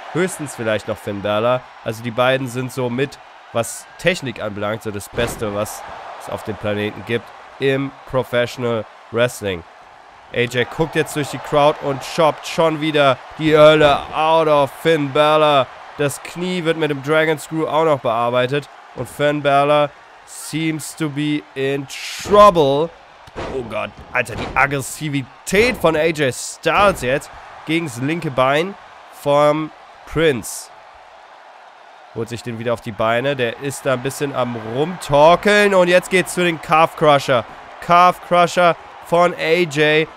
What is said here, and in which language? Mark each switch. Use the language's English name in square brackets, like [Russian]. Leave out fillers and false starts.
[German] Höchstens vielleicht noch Finn Balor. Also die beiden sind so mit, was Technik anbelangt, so das Beste, was es auf dem Planeten gibt im Professional Wrestling. AJ guckt jetzt durch die Crowd und choppt schon wieder die Hölle [English] out of [German] Finn Balor. Das Knie wird mit dem Dragon Screw auch noch bearbeitet. Und [English] Finn Balor seems to be in trouble. [German] Oh Gott, Alter, die Aggressivität von AJ Styles jetzt gegen das linke Bein vom Prince. Holt sich den wieder auf die Beine. Der ist da ein bisschen am Rumtorkeln. Und jetzt geht's zu den Calf Crusher. Calf Crusher von AJ.